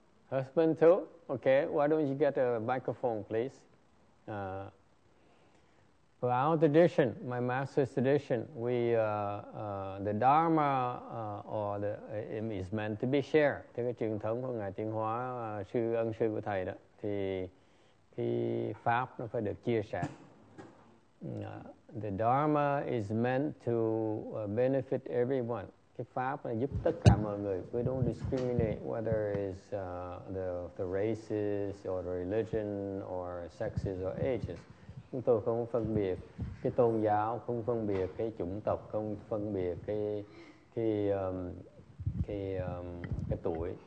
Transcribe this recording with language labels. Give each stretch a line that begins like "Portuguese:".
English: Husband too? Okay, why don't you get a microphone, please? For our tradition, my master's tradition, the Dharma is meant to be shared.
Vietnamese: Thế cái truyền thống của Ngài Tiến Hóa, sư ân sư của Thầy đó, thì cái Pháp nó phải được chia sẻ.
English: The Dharma is meant to benefit everyone.
Vietnamese: Cái Pháp là giúp tất cả mọi người.
English: We don't discriminate whether it's the races or the religion or sexes or ages.
Vietnamese: Chúng tôi không phân biệt cái tôn giáo, không phân biệt cái chủng tộc, không phân biệt cái tuổi.